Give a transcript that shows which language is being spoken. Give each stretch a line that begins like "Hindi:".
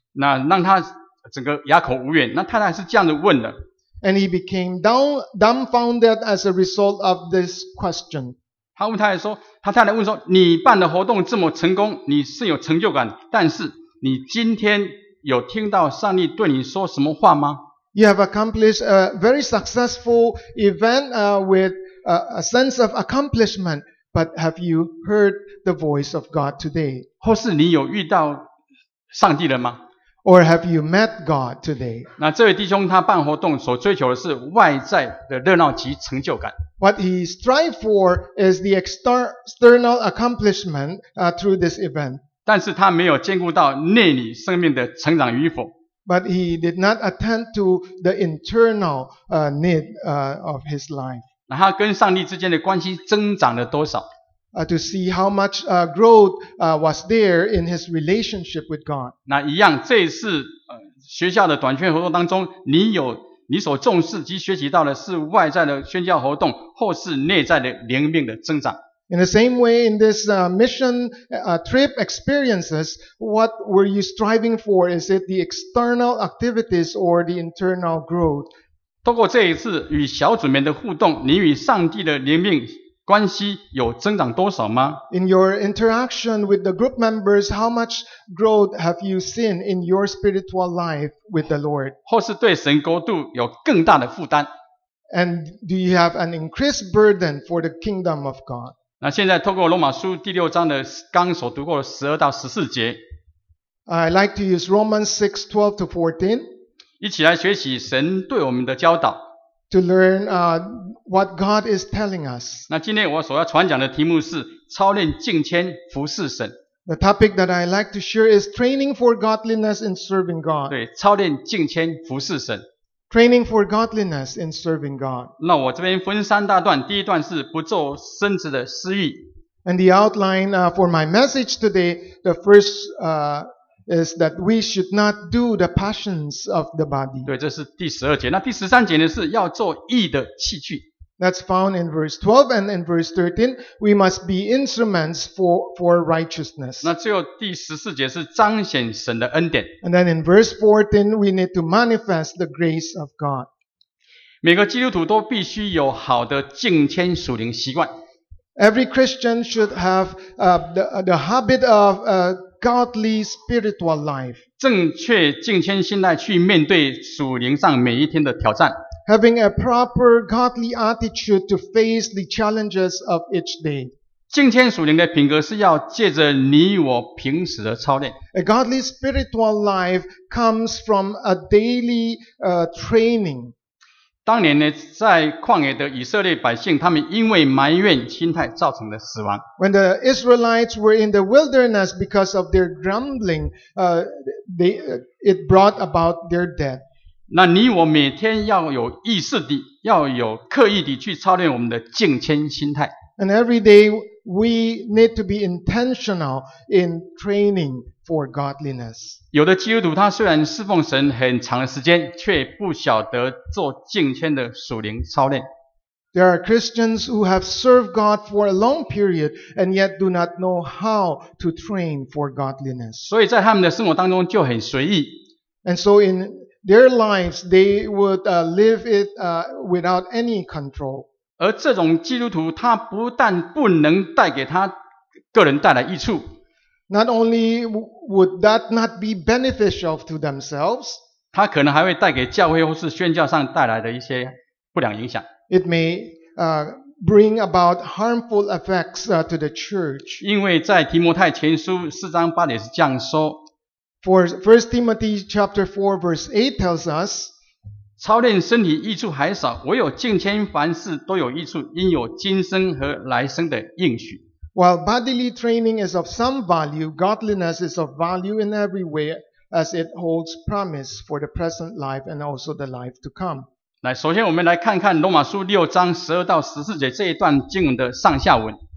Chinese: 那让他整个哑口无言，那太太是这样子问的。
English: And he became dumbfounded as a result of this question.
Chinese: 他问太太说，他太太问说，你办的活动这么成功，你是有成就感，但是你今天有听到上帝对你说什么话吗
English: ？You have accomplished a very successful event with a sense of accomplishment, but have you heard the voice of God today?
Chinese: 或是你有遇到上帝了吗？
English: Or have you met God today?
Chinese: 那这位弟兄他办活动所追求的是外在的热闹及成就感。
English: What he strive for is the external accomplishment through this event.
Chinese: 但是他没有兼顾到内里生命的成长与否。
English: But he did not attend to the internal need of his life.
Chinese: 那他跟上帝之间的关系增长了多少？
English: To see how much growth was there in his relationship with God.
Chinese: 那一样，这一次学校的短宣活动当中，你所重视及学习到的是外在的宣教活动，或是内在的灵命的增长。
English: In the same way, in this mission trip experiences, what were you striving for? Is it the external activities or the internal growth?
Chinese: 透过这一次与小组们的互动，你与上帝的灵命。关系有增长多少吗
English: ？In your interaction with the group members, how much growth have you seen in your spiritual life with the Lord？
Chinese: 或是对神国度有更大的负担
English: ？And do you have an increased burden for the kingdom of God？
Chinese: 那现在透过罗马书第六章的刚所读过的12到14节。
English: I like to use Romans 6:12-14.
Chinese: 一起来学习神对我们的教导。
English: To learn what God is telling us.
Chinese: 那今天我所要传讲的题目是操练敬虔服事神。
English: The topic that I like to share is training for godliness in serving God.
Chinese: 对，操练敬虔服事神。
English: Training for godliness in serving God.
Chinese: 那我这边分三大段，第一段是不做身子的私欲。
English: And the outline for my message today, the first is that we should not do the passions of the body.
Chinese: 对，这是第十二节。那第十三节呢，是要做义的器具。
English: That's found in verse 12 and in verse 13. We must be instruments for righteousness.
Chinese: 那最后第十四节是彰显神的恩典。
English: And then in verse 14, we need to manifest the grace of God.
Chinese: 每个基督徒都必须有好的敬虔属灵习惯。
English: Every Christian should have the habit of a godly spiritual life.
Chinese: 正确敬虔心态去面对属灵上每一天的挑战。
English: Having a proper godly attitude to face the challenges of each day.
Chinese: 敬虔属灵的品格是要借着你我平时的操练。
English: A godly spiritual life comes from a daily training.
Chinese: 当年呢，在旷野的以色列百姓，他们因为埋怨心态造成的死亡。
English: When the Israelites were in the wilderness because of their grumbling, it brought about their death.
Chinese: 那你我每天要有意识地，要有刻意地去操练我们的敬虔心态。
English: And every day we need to be intentional in training for godliness.
Chinese: 有的基督徒他虽然侍奉神很长的时间，却不晓得做敬虔的属灵操练。
English: There are Christians who have served God for a long period and yet do not know how to train for godliness.
Chinese: 所以在他们的生活当中就很随意。
English: And so in their lives, they would live it without any control.
Chinese: 而这种基督徒他不但不能带给他个人带来益处。
English: Not only would that not be beneficial to themselves,
Chinese: 他可能还会带给教会或是宣教上带来的一些不良影响。
English: It may bring about harmful effects to the church.
Chinese: 因为在提摩太前书四章八节是这样说。
English: For 1 Timothy chapter 4 verse 8 tells us,
Chinese: 操练身体益处还少，唯有敬虔凡事都有益处，因有今生和来生的应许。
English: While bodily training is of some value, godliness is of value in every way as it holds promise for the present life and also the life to come.
Chinese: 来，首先我们来看看罗马书六章十二到十四节这一段经文的上下文。